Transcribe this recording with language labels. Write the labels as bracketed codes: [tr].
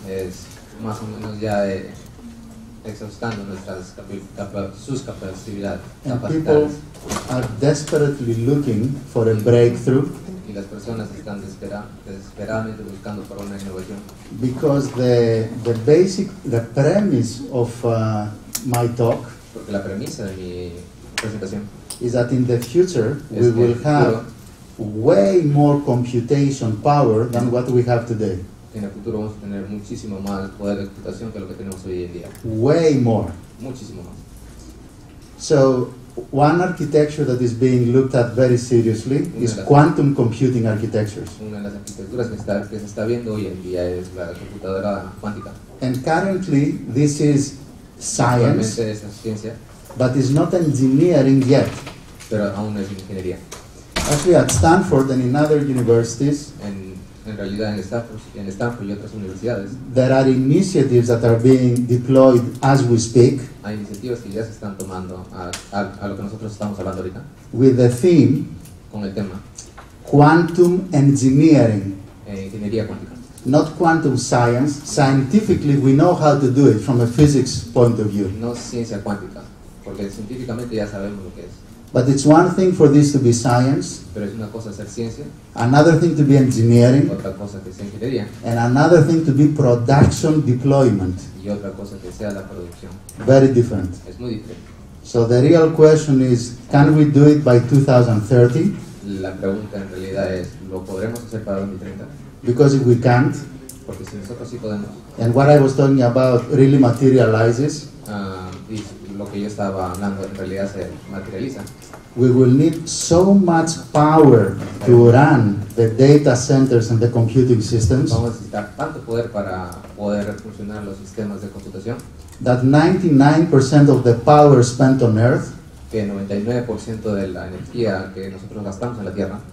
[es] Es más o menos ya exhaustando nuestras sus capacidades. [en] And people are desperately looking for a breakthrough. [es] Y las personas están desesperadamente buscando por una innovación. [en] Because the basic the premise of my talk. [es] Porque la premisa de mi presentación [en] is that in the future we will have way more computation power than what we have today. [es] En el futuro vamos a tener muchísimo más poder de computación que lo que tenemos hoy en día. [en] Way more. [es] Muchísimo más. [en] So one architecture that is being looked at very seriously is quantum computing architectures. [es] Una de las arquitecturas que se está viendo hoy en día es la computadora cuántica. [en] And currently this is science. [es] Actualmente es ciencia. [en] But it's not engineering yet. [es] Pero aún no es ingeniería. [en] Actually at Stanford and in other universities [es] en realidad en Stanford y otras universidades [en] there are initiatives that are being deployed as we speak. [es] Hay iniciativas que ya se están tomando a lo que nosotros estamos hablando ahorita [en] with the theme [es] con el tema [en] quantum engineering [es] ingeniería cuántica [en] not quantum science scientifically we know how to do it from a physics point of view [es] no ciencia cuántica porque científicamente ya sabemos lo que es. [en] But it's one thing for this to be science, [es] pero es una cosa ser ciencia, [en] another thing to be engineering, [es] otra cosa que sea ingeniería, [en] and another thing to be production deployment. [es] Y otra cosa que sea la producción. [en] Very different. [es] Es muy diferente. [en] So the real question is, can we do it by 2030? [es] La pregunta en realidad es, ¿lo podremos hacer para 2030? [en] Because if we can't, [es] porque si nosotros sí podemos, [en] and what I was talking about really materializes, [es] lo que yo estaba hablando en realidad se materializa. [en] We will need so much power to run the data centers and the computing systems. [es] Vamos a necesitar tanto poder para poder funcionar los sistemas de computación. [en] That 99% of the power spent on Earth. [es] Que 99% de la energía que nosotros gastamos en la Tierra.